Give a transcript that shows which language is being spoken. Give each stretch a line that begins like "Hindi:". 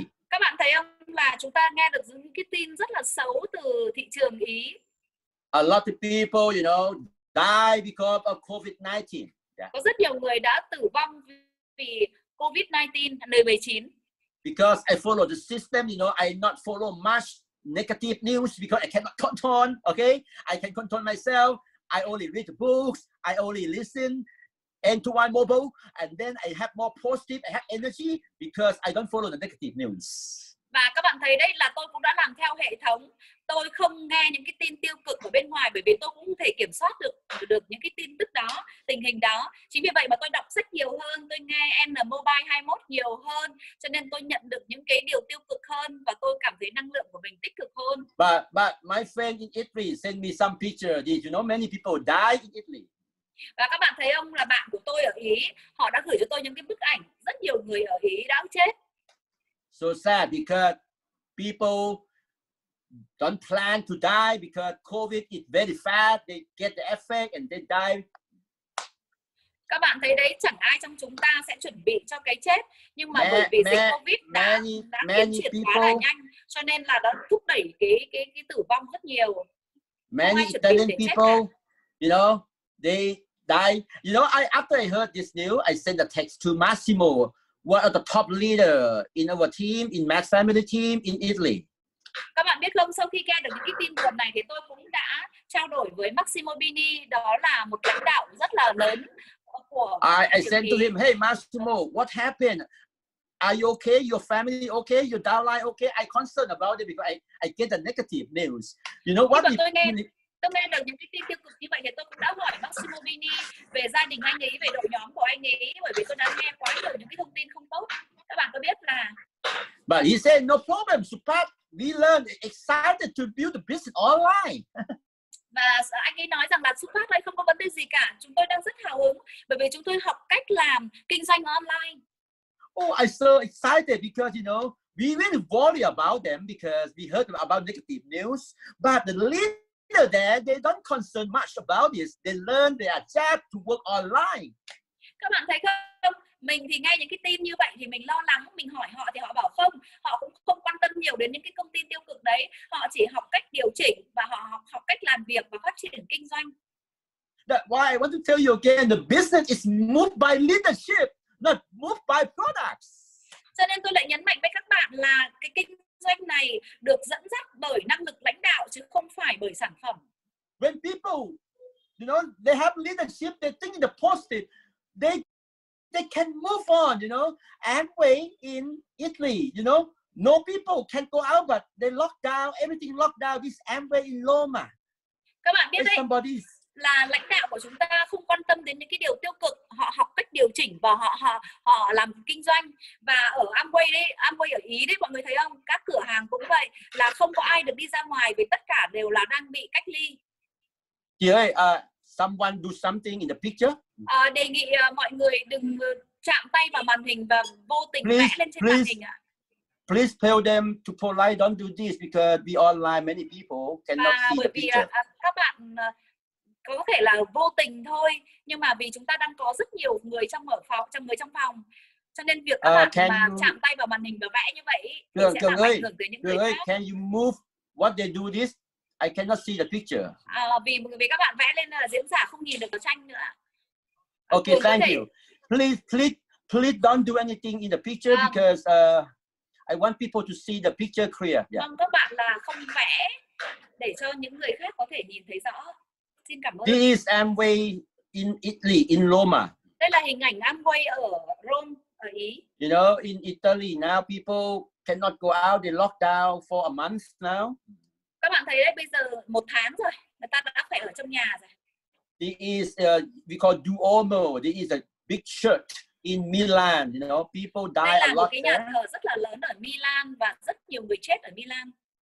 Vietnamese: Các bạn thấy không là chúng ta nghe được những cái tin rất là xấu từ thị trường Ý.
English: A lot of people, you know, die because of COVID-19. Yeah.
Vietnamese: Có rất nhiều người đã tử vong vì COVID-19.
English: Because I follow the system, you know, I not follow much negative news because I cannot control, okay? I can control myself. I only read books. I only listen. And to my mobile, and then I have more positive, I have energy because I don't follow the negative news.
Vietnamese: Và các bạn thấy đây là tôi cũng đã làm theo hệ thống. Tôi không nghe những cái tin tiêu cực ở bên ngoài bởi vì tôi cũng không thể kiểm soát được những cái tin tức đó, tình hình đó. Chính vì vậy mà tôi đọc sách nhiều hơn, tôi nghe N Mobile 21 nhiều hơn, cho nên tôi nhận được những cái điều tiêu cực hơn và tôi cảm thấy năng lượng của mình tích cực hơn.
English: But my friend in Italy sent me some picture. Did you know many people died in Italy?
Vietnamese: Và các bạn thấy ông là bạn của tôi ở Ý, họ đã gửi cho tôi những cái bức ảnh rất nhiều người ở Ý đã chết.
English: So sad because people don't plan to die because COVID is very fast, they get the effect and they die.
Vietnamese: Các bạn thấy đấy, chẳng ai trong chúng ta sẽ chuẩn bị cho cái chết, nhưng mà bởi vì dịch COVID đã tiến triển quá là nhanh, cho nên là nó thúc đẩy cái tử vong rất nhiều.
English: Many Italian people, you know, they die. You know, after I heard this news, I sent a text to Massimo, one of the top leader in our team, in Max Family team in Italy.
Vietnamese: Các bạn biết không, sau khi nghe được những cái tin buồn này thì tôi cũng đã trao đổi với Massimo Bini, đó là một lãnh đạo rất là lớn của
English: I sent to him, hey Massimo, what happened? Are you okay? Your family okay? Your downline okay? I concerned about it because I get the negative news. You know what?
Vietnamese: Tôi nghe được những cái tin tiêu cực như vậy thì tôi cũng đã hỏi Massimo Bini về gia đình anh ấy, về đội nhóm của anh ấy, bởi vì tôi đã nghe quá nhiều những cái thông tin không tốt. Các bạn có biết là...
English: But he said, no problem, support. We learn excited to build the business online.
Vietnamese: Và anh ấy nói rằng là support đây không có vấn đề gì cả. Chúng tôi đang rất hào hứng bởi vì chúng tôi học cách làm kinh doanh online.
English: Oh, I'm so excited because, you know, we really worry about them because we heard about negative news. But the least they don't concern much about this. They learn their job to work online.
Vietnamese: Các bạn thấy không? Mình thì nghe những cái tin như vậy thì mình lo lắng, mình hỏi họ thì họ bảo không, họ cũng không quan tâm nhiều đến những cái công ty tiêu cực đấy. Họ chỉ học cách điều chỉnh và họ học cách làm việc và phát triển kinh doanh.
English: That's why I want to tell you again, the business is moved by leadership, not moved by products.
Vietnamese: Cho nên tôi lại nhấn mạnh với các bạn là cái kinh doanh này được dẫn dắt bởi năng lực lãnh đạo chứ không phải bởi sản phẩm.
English: When people, you know, they have leadership, they think in the positive, they can move on, you know. And way in Italy, you know, no people can go out, but they lock down, everything locked down, this Amway in Roma.
Vietnamese: Các bạn biết đấy, somebody's. Là lãnh đạo của chúng ta không quan tâm đến những cái điều tiêu cực, họ học cách điều chỉnh và họ làm kinh doanh. Và ở Amway đấy, Amway ở Ý đấy, mọi người thấy không, các cửa hàng cũng vậy, là không có ai được đi ra ngoài vì tất cả đều là đang bị cách ly. Chị ơi,
English: someone do something in the picture.
Vietnamese: Đề nghị mọi người đừng chạm tay vào màn hình và vô tình
English: please,
Vietnamese: vẽ lên trên màn hình ạ.
English: Please tell them to polite, don't do this because we online, many people cannot
Vietnamese: và
English: see the picture.
Vietnamese: Bởi vì các bạn có thể là vô tình thôi, nhưng mà vì chúng ta đang có rất nhiều người trong phòng, cho nên việc các bạn mà chạm tay vào màn hình và vẽ như vậy thì sẽ làm ảnh hưởng tới những người khác.
English: Can you move what they do this? I cannot see the picture.
Vietnamese: Vì các bạn vẽ lên là diễn giả không nhìn được cái tranh nữa.
English: Okay, thank you. Please don't do anything in the picture because I want people to see the picture clear. Yeah.
Vietnamese: Vâng, các bạn là không vẽ để cho những người khác có thể nhìn thấy rõ.
English: This is Amway in Italy, in Roma.
Vietnamese: Đây là hình ảnh Amway ở Rome, ở
English: You know, in Italy now people cannot go out, they locked down for a month now.
Vietnamese: Các bạn thấy đấy, bây giờ một tháng rồi, người ta đã phải ở trong nhà rồi.
English: There is we call Duomo, there is a big church in Milan, you know, people die a lot.
Vietnamese: Đây là cái nhà thờ rất là lớn ở Milan và rất nhiều người chết ở Milan.